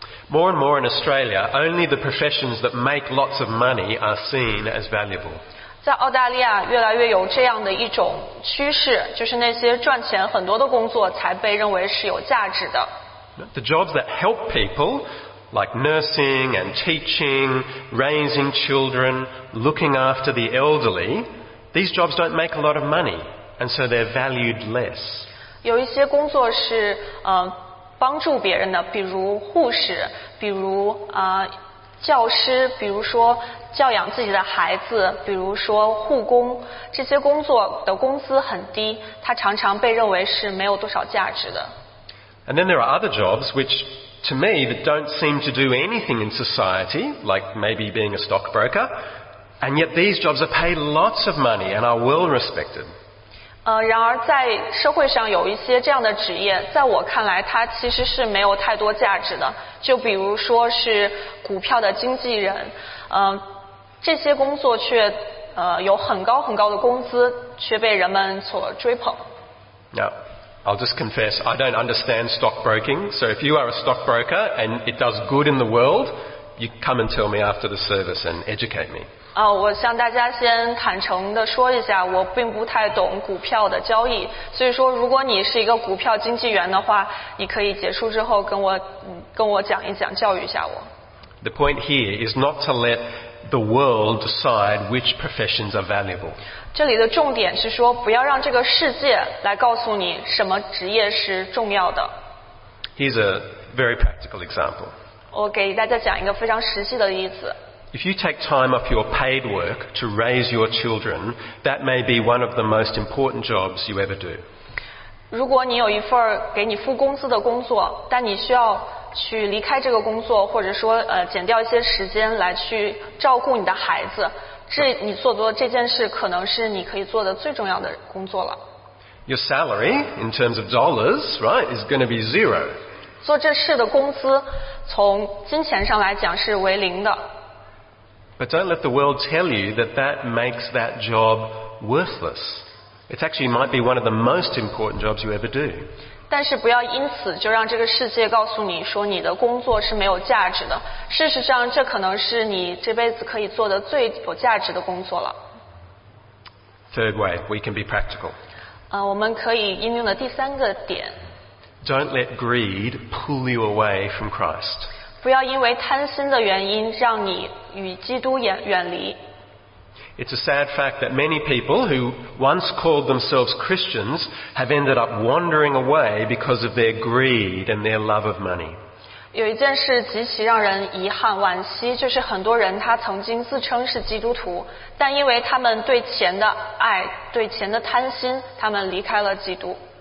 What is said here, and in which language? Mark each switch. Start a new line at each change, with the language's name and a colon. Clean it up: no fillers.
English: More and more in Australia, only the professions that make lots of money are seen as valuable.
Chinese: 在澳大利亚，越来越有这样的一种趋势，就是那些赚钱很多的工作才被认为是有价值的。
English: The jobs that help people, like nursing and teaching, raising children, looking after the elderly, these jobs don't make a lot of money, and so they're valued less.
Chinese: 有一些工作是帮助别人的，比如护士，比如教师，比如说教养自己的孩子，比如说护工，这些工作的工资很低，它常常被认为是没有多少价值的。
English: And then there are other jobs which, to me, that don't seem to do anything in society, like maybe being a stockbroker, and yet these jobs are paid lots of money and are well respected.
Chinese: 然而在社会上有一些这样的职业，在我看来它其实是没有太多价值的，就比如说是股票的经纪人，这些工作却有很高很高的工资，却被人们所追捧。
English: Now, I'll just confess, I don't understand stockbroking, so if you are a stockbroker and it does good in the world, you come and tell me after the service and educate me.
Chinese: 我向大家先坦诚地说一下，我并不太懂股票的交易，所以说如果你是一个股票经纪员的话，你可以结束之后跟我讲一讲，教育一下我。
English: The point here is not to let the world decide which professions are valuable.
Chinese: 这里的重点是说不要让这个世界来告诉你什么职业是重要的。
English: Here's a very practical example.
Chinese: 我给大家讲一个非常实际的例子。
English: If you take time off your paid work to raise your children, that may be one of the most important jobs you ever do.
Chinese: 如果你有一份给你付工资的工作，但你需要去离开这个工作，或者说减掉一些时间来去照顾你的孩子，这你做的这件事可能是你可以做的最重要的工作了。
English: Your salary in terms of dollars, right, is going to be zero.
Chinese: 做这事的工资从金钱上来讲是为零的。
English: But don't let the world tell you that that makes that job worthless. It actually might be one of the most important jobs you ever do.
Chinese: 但是不要因此就让这个世界告诉你说你的工作是没有价值的。事实上，这可能是你这辈子可以做的最有价值的工作了。
English: Third way, we can be practical.
Chinese: 我们可以应用的第三个点。
English: Don't let greed pull you away from Christ.
Chinese: 不要因为贪心的原因让你与基督远离。
English: It's a sad fact that many people who once called themselves Christians have ended up wandering away because of their greed and their love of money.
Chinese: 有一件事极其让人遗憾惋惜，就是很多人他曾经自称是基督徒，但因为他们对钱的爱，对钱的贪心，他们离开了基督。